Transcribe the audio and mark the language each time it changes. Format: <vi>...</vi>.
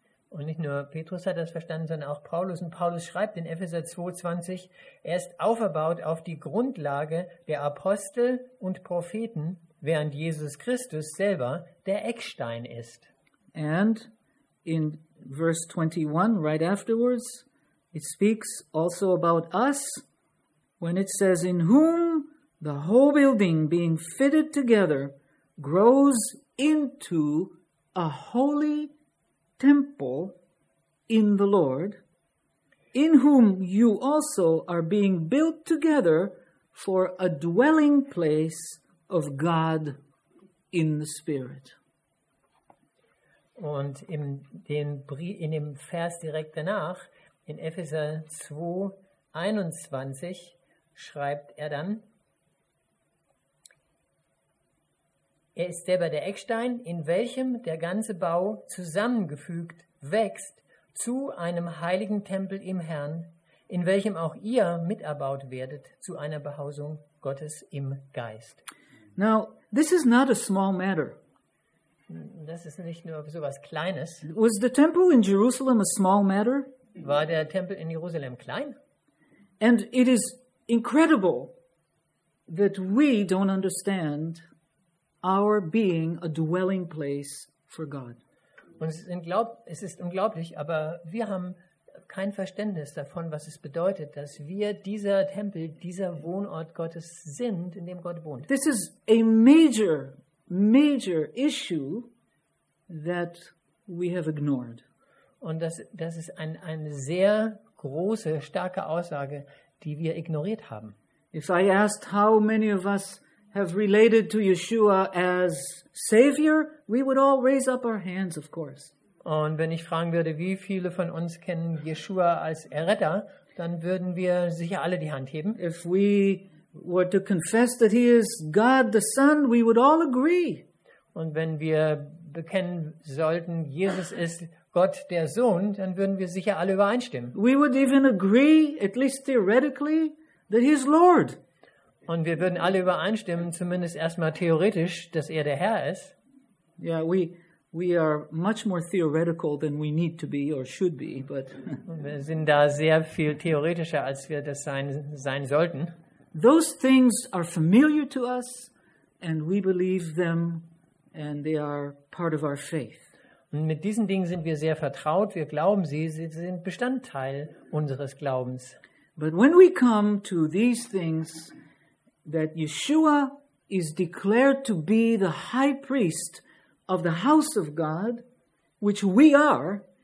<de>Und nicht nur Petrus hat das verstanden, sondern auch Paulus. Und Paulus schreibt in Epheser 2:20, er ist auferbaut auf die Grundlage der Apostel und Propheten, während Jesus Christus selber der Eckstein ist.</de> <en>And in verse 21, right afterwards, it speaks also about us, when it says, in whom the whole building being fitted together grows into a holy temple in the Lord, in whom you also are being built together for a dwelling place of God in the Spirit.</en> <de>Und in dem Vers direkt danach, in Epheser 2:21, schreibt er dann, er ist selber der Eckstein, in welchem der ganze Bau zusammengefügt wächst zu einem heiligen Tempel im Herrn, in welchem auch ihr miterbaut werdet zu einer Behausung Gottes im Geist.</de> <en>Now, this is not a small matter.</en> <de>Das ist nicht nur sowas Kleines.</de> <en>Was the temple in Jerusalem a small matter?</en> <de>War der Tempel in Jerusalem klein?</de> <en>And it is incredible that we don't understand our being a dwelling place for God.</en> <de>Und es ist unglaublich, aber wir haben kein Verständnis davon, was es bedeutet, dass wir dieser Tempel, dieser Wohnort Gottes sind, in dem Gott wohnt.</de> <en>This is a major, major issue that we have ignored.</en> <de>Und das ist eine sehr große, starke Aussage, die wir ignoriert haben.</de> <en>If I asked how many of us have related to Yeshua as Savior, we would all raise up our hands, of course.</en> <de>Und wenn ich fragen würde, wie viele von uns kennen Yeshua als Erretter, dann würden wir sicher alle die Hand heben.</de> <en>If we were to confess that he is God the Son, we would all agree.</en> <de>Und wenn wir bekennen sollten, Jesus ist Gott der Sohn, dann würden wir sicher alle übereinstimmen.</de> <en>We would even agree, at least theoretically, that he is Lord.</en> <de>Und wir würden alle übereinstimmen, zumindest erstmal theoretisch, dass er der Herr ist.</de> <en>Yeah, we are much more theoretical than we need to be or should be, but</en> <de>wir sind da sehr viel theoretischer, als wir das sein sollten.</de> <en>Those things are familiar to us and we believe them and they are part of our faith.</en> <de>Und mit diesen Dingen sind wir sehr vertraut, wir glauben sie sind Bestandteil unseres Glaubens.</de> <en>But when we come to these things that Yeshua is declared to be the high priest of the house of God, which we are.</en>